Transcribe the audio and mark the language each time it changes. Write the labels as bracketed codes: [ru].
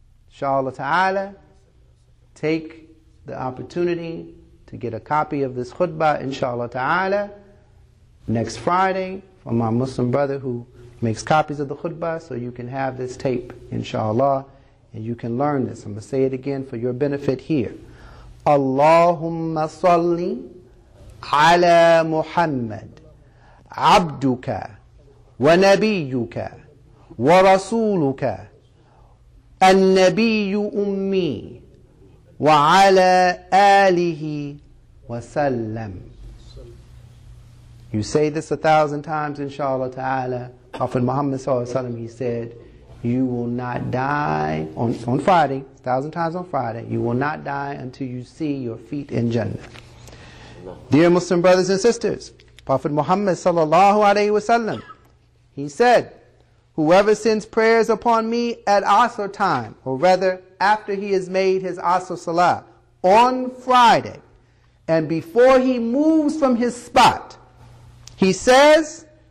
[en] Inshallah ta'ala, take the opportunity to get a copy of this khutbah, inshallah ta'ala, next Friday from my Muslim brother who makes copies of the khutbah, so you can have this tape, inshallah, and you can learn this. I'm going to say it again for your benefit here. [ar] Allahumma salli ala Muhammad عبدك ونبيك ورسولك النبي أمي وعلى آله وسلم. [en] You say this 1,000 times, inshallah ta'ala. Prophet Muhammad sallallahu alayhi wa sallam, he said, you will not die on Friday, 1,000 times on Friday, you will not die until you see your feet in Jannah. Dear Muslim brothers and sisters, Prophet Muhammad sallallahu alayhi wa sallam, he said, whoever sends prayers upon me at Asr time, or rather after he has made his Asr Salah on Friday, and before he moves from his spot, he says,